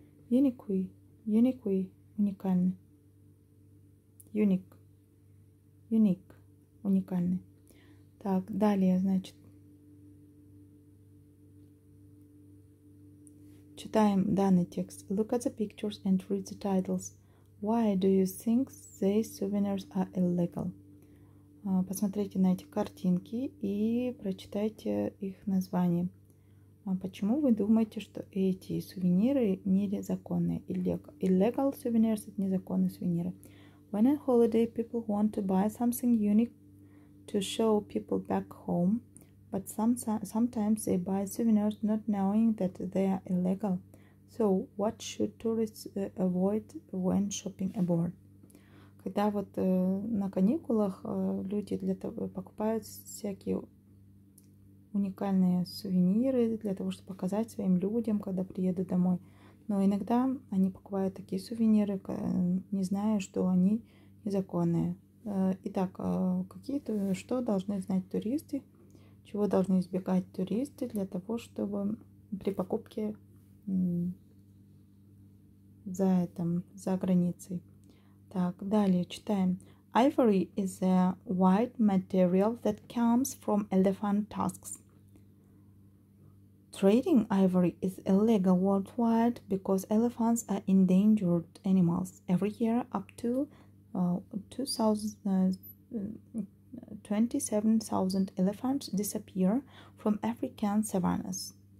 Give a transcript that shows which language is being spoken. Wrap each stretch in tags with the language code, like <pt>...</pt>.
<en>Unique, unique, уникальный. Unique, unique, уникальный.</en> <ru>Так, далее, значит, читаем данный текст.</ru> <en>Look at the pictures and read the titles. Why do you think these souvenirs are illegal?</en> <ru>Посмотрите на эти картинки и прочитайте их название. Почему вы думаете, что эти сувениры незаконные?</ru> <en>Illegal souvenirs</en> <ru>– это незаконные сувениры.</ru> <en>When on holiday people want to buy something unique to show people back home, but sometimes they buy souvenirs not knowing that they are illegal. So what should tourists avoid when shopping abroad?</en> <ru>Когда вот на каникулах люди для того покупают всякие уникальные сувениры для того, чтобы показать своим людям, когда приедут домой. Но иногда они покупают такие сувениры, не зная, что они незаконные. Итак, что должны знать туристы, чего должны избегать туристы для того, чтобы при покупке за границей. Так, далее читаем.</ru> <en>Ivory is a white material that comes from elephant tusks. Trading ivory is illegal worldwide because elephants are endangered animals. Every year, up to 27,000 elephants disappear from African savannas.</en>